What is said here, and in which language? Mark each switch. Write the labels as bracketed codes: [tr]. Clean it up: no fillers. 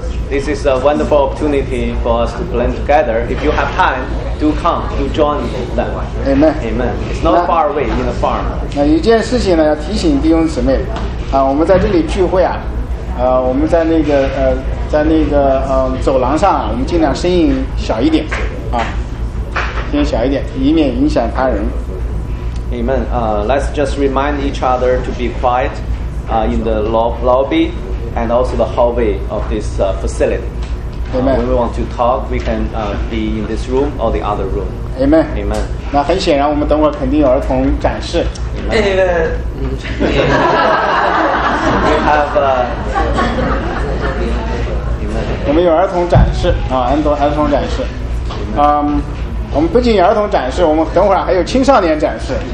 [en] This is a wonderful opportunity for us to blend together. If you have time, do come, do join them. Amen. Amen. It's not far away in the farm. [zh] 那一件事情呢，要提醒弟兄姊妹，我们在这里聚会啊，我们在那个走廊上啊，我们尽量声音小一点，啊，声音小一点，以免影响他人。 [en] Amen. Let's just remind each other to be quiet, in the lobby. And also the hallway of this facility. Amen. When we want to talk, we can be in this room or the other room. Amen. Amen. [zh] 那很显然，我们等会儿肯定有儿童展示。 [en] Amen. We have. Amen. [zh] 我们有儿童展示啊，儿童展示。我们不仅有儿童展示，我们等会儿还有青少年展示。